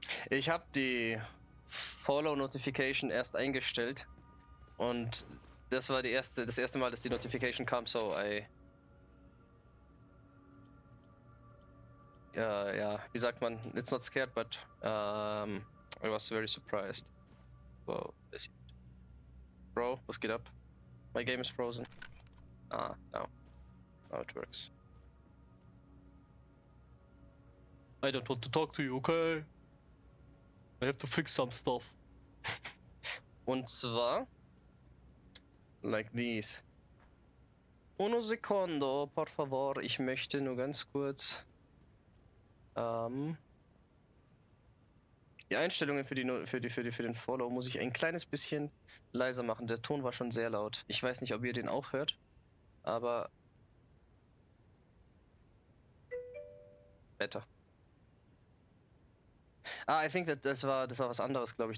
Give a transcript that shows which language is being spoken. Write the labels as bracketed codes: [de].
[de] Ich habe die Follow-Notification erst eingestellt und das war das erste Mal, dass die Notification kam, [en] so I. [de] Ja, wie sagt man? [en] It's not scared, but I was very surprised. Wow, is it? Bro, [de] was geht ab? [en] My game is frozen. Ah, now. Now it works. I don't want to talk to you, okay? I have to fix some stuff. [de] Und zwar, [en] like these. [it] Uno secondo, [es] por favor. [de] Ich möchte nur ganz kurz die Einstellungen für den Follow muss ich ein kleines bisschen leiser machen. Der Ton war schon sehr laut. Ich weiß nicht, ob ihr den auch hört, aber [en] better. [de] Ah, [en] I think that [de] das war was anderes, glaube ich.